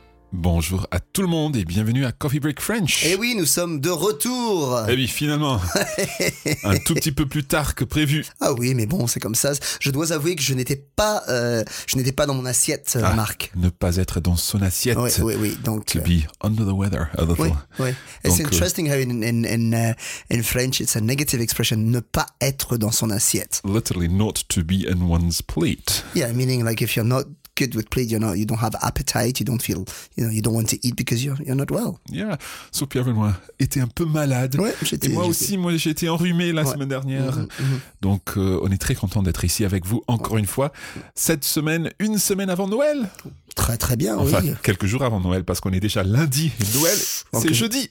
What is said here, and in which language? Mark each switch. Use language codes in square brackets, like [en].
[fr] Bonjour à tout le monde et bienvenue à Coffee Break French. Eh oui, nous sommes de retour. Eh oui, finalement. Un tout petit peu plus tard que prévu. Ah oui, mais bon, c'est comme ça. Je dois avouer que je n'étais pas dans mon assiette, ah, Marc. Ne pas être dans son assiette. Oui, oui, oui. Donc, [en] to be under the weather a little. [fr] Oui, oui. [en] It's donc, interesting how in French it's a negative expression, [fr] ne pas être dans son assiette. [en] Literally not to be in one's plate. Yeah, meaning like if you're not good with plate, you know, you don't have appetite, you don't feel, you know, you don't want to eat because you're not well. Yeah, so [fr] Pierre-Benoît était un peu malade. Ouais, j'étais, et moi aussi, moi j'ai été enrhumé la semaine dernière. Donc on est très content d'être ici avec vous encore une fois cette semaine, une semaine avant Noël. Très très bien. Enfin, oui. Quelques jours avant Noël parce qu'on est déjà lundi. Noël, okay. C'est jeudi.